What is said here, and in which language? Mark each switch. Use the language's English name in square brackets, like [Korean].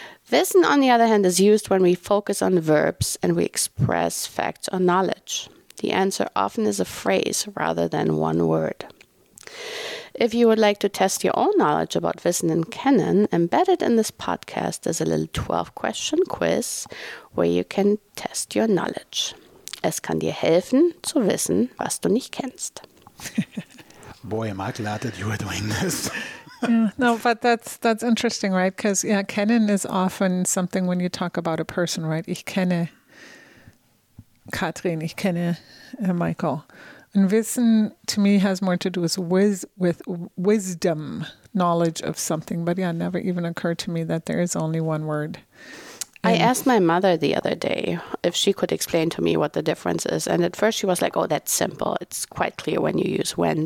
[English] Wissen, on the other hand, is used when we focus on verbs and we express facts or knowledge. The answer often is a phrase rather than one word. If you would like to test your own knowledge about wissen and kennen, embedded in this podcast is a little 12-question quiz where you can test your knowledge. [German] Es kann dir helfen, zu wissen, was du nicht kennst. [English] Boy, am I glad that you are doing this. No, but that's interesting, right? Because yeah, kennen is often something when you talk about a person, right? [German] Ich kenne Katrin, ich kenne Michael. [English] And wissen to me has more to do with wisdom, knowledge of something. But yeah, never even occurred to me that there is only one word. I asked my mother the other day if she could explain to me what the difference is. And at first she was like, oh, that's simple. It's quite clear when you use when.